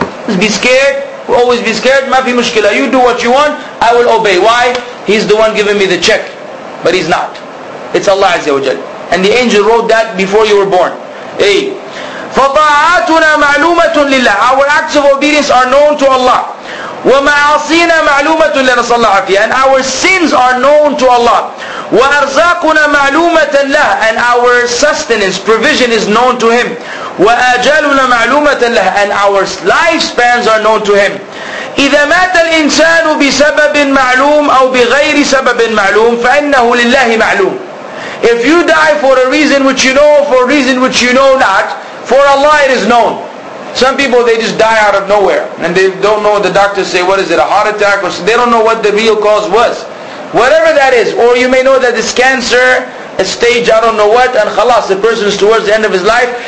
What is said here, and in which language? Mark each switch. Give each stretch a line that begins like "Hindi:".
English: Just be scared, always be scared. Ma fi mushkila. You do what you want, I will obey. Why? He's the one giving me the check. But he's not. It's Allah Azza wa Jal. And the angel wrote that before you were born.
Arabic: Hey. فطاعاتنا معلومة لله.
English: Our acts of obedience are known to Allah.
Arabic: ومعاصينا معلومة لنا صلى الله عليه وسلم.
English: And our sins are known to Allah.
Arabic: وأرزاقنا معلومة له.
English: And our sustenance, provision is known to Him.
Arabic: وأجالنا معلومة له.
English: And our lifespans are known to Him.
Arabic: إذا مات الإنسان بسبب معلوم أو بغير سبب معلوم فإنه لله معلوم.
English: If you die for a reason which you know, for a reason which you know not, for Allah it is known. Some people, they just die out of nowhere. And they don't know, the doctors say, what is it, a heart attack? Or they don't know what the real cause was. Whatever that is. Or you may know that it's cancer, a stage, I don't know what, and khalas, the person is towards the end of his life.